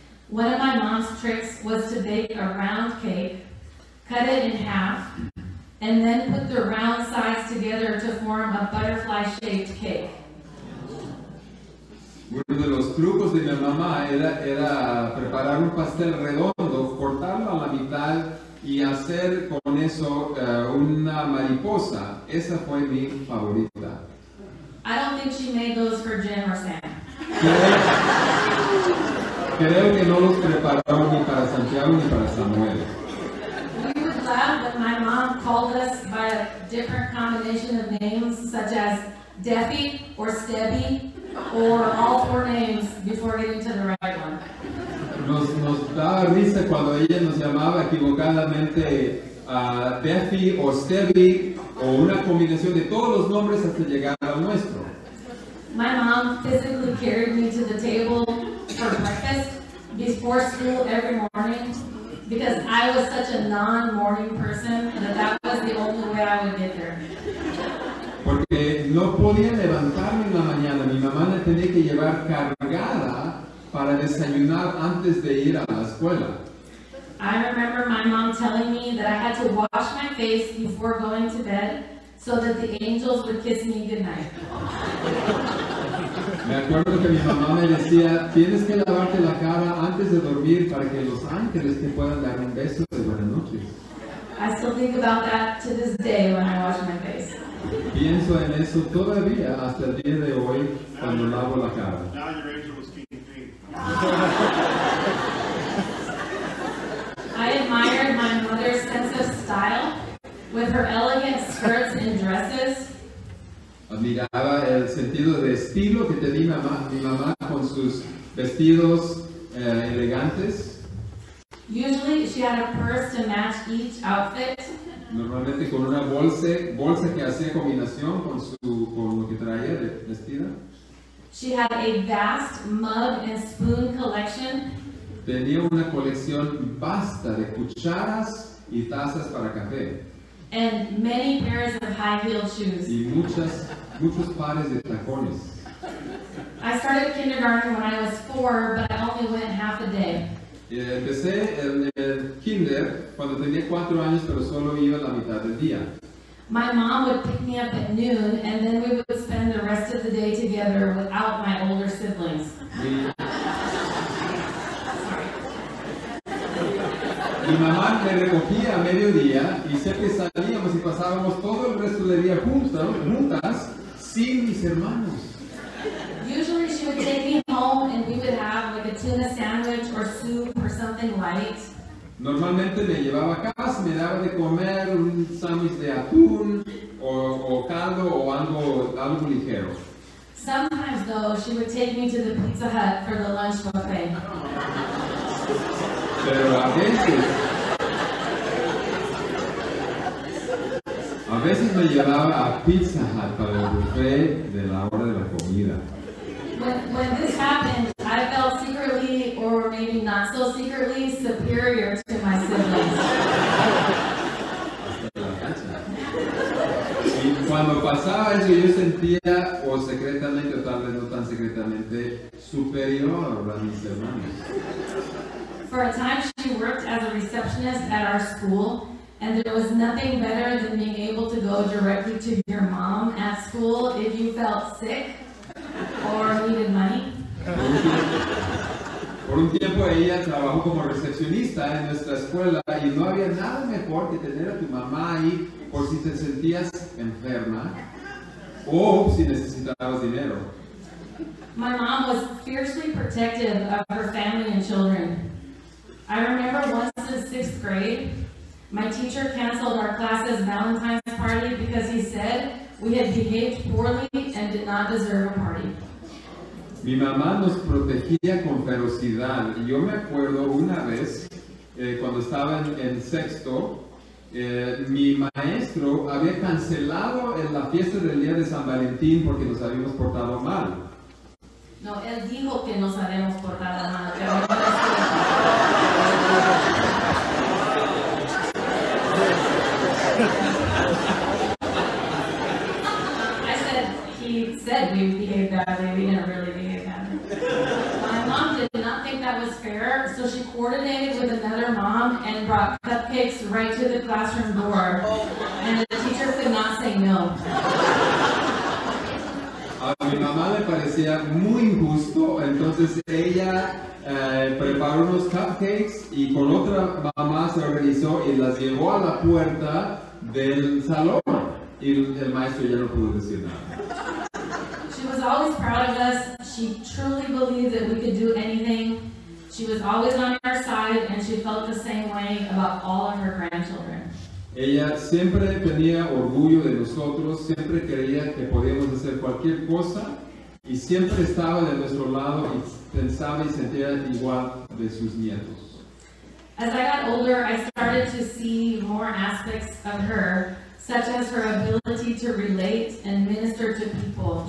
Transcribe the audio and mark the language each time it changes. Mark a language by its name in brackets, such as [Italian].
[English] One of my mom's tricks was to bake a round cake, cut it in half, and then put the round sides together to form a butterfly-shaped cake. [Spanish] Uno de los trucos de mi mamá era preparar un pastel redondo, cortarlo a la mitad y hacer con eso una mariposa. Esa fue mi favorita. [English] I don't think she made those for Jen or Sam. [Spanish] Creo que no los preparó ni para Santiago ni para Samuel. [English] We would laugh when my mom called us by a different combination of names, such as Debbie or Stebby, or all four names before getting to the right one. [Spanish] Nos daba risa cuando ella nos llamaba equivocadamente Debbie o Stebby, o una combinación de todos los nombres hasta llegar al nuestro. [English] My mom physically carried me to the table for breakfast before school every morning because I was such a non-morning person that was the only way I would get there. [Spanish] Porque no podía levantarme en la mañana. Mi mamá me tenía que llevar cargada para desayunar antes de ir a la escuela. [English] I remember my mom telling me that I had to wash my face before going to bed so that the angels would kiss me goodnight. [Spanish] Me acuerdo que mi mamá me decía, tienes que lavarte la cara antes de dormir para que los ángeles te puedan dar un beso de buenas noches. [English] I still think about that to this day when I wash my face. [Spanish] Pienso en eso todavía hasta el día de hoy cuando lavo la cara. [English] Now your angel was keeping me. I admired my mother's sense of style with her elegant skirts and dresses. [Spanish] Admiraba el sentido de estilo que tenía mi mamá con sus vestidos elegantes. [English] Usually she had a purse to match each outfit. [Spanish] Normalmente con una bolsa que hacía combinación con lo que traía de vestida. [English] She had a vast mug and spoon collection. [Spanish] Tenía una colección vasta de cucharas y tazas para café. [English] And many pairs of high-heeled shoes. [Spanish] Y muchos pares de tacones. [English] I started kindergarten when I was 4, but I only went half a day. [Spanish] Empecé en el kinder cuando tenía 4 años, pero solo iba la mitad del día. [English] My mom would pick me up at noon, and then we would spend the rest of the day together without my older siblings. [Spanish] Mi mamá me recogía a mediodía, y siempre salíamos y pasábamos todo el resto del día juntas, sin mis hermanos. [English] Usually she would take me home and we would have like a tuna sandwich or soup or something light. [Spanish] Normalmente me llevaba a casa, me daba de comer un sándwich de atún o caldo o algo ligero. [English] Sometimes though she would take me to the Pizza Hut for the lunch buffet. [Spanish] Pero a veces me llevaba a Pizza Hut para el buffet de la hora de la comida. [English] When this happened, I felt secretly, or maybe not so secretly, superior to my siblings. [Spanish] Y cuando pasaba eso, yo sentía, o secretamente, o tal vez no tan secretamente, superior a mis hermanos. [English] For a time, she worked as a receptionist at our school, and there was nothing better than being able to go directly to your mom at school if you felt sick or needed money. [Spanish] Por un tiempo ella trabajó como recepcionista en nuestra escuela y no había nada mejor que tener a tu mamá ahí por si te sentías enferma o si necesitabas dinero. [English] My mom was fiercely protective of her family and children. I remember once in sixth grade, my teacher canceled our class's Valentine's party because he said we had behaved poorly and did not deserve a party. [Spanish] Mi mamá nos protegía con ferocidad. Yo me acuerdo una vez, cuando estaba en sexto, mi maestro había cancelado la fiesta del día de San Valentín porque nos habíamos portado mal. No, él dijo que nos habíamos portado mal. Pero... [English] we behaved badly. We didn't really behave badly. My mom did not think that was fair, so she coordinated with another mom and brought cupcakes right to the classroom door. And the teacher could not say no. [Spanish] A mi mamá le parecía muy injusto, entonces ella preparó unos cupcakes y con otra mamá se organizó y las llevó a la puerta del salón. Y el maestro ya no pudo decir nada. [English] She was always proud of us. She truly believed that we could do anything. She was always on our side, and she felt the same way about all of her grandchildren. [Spanish] Ella siempre tenía orgullo de nosotros, siempre creía que podíamos hacer cualquier cosa, y siempre estaba de nuestro lado y pensaba y sentía igual de sus nietos. [English] As I got older, I started to see more aspects of her, such as her ability to relate and minister to people.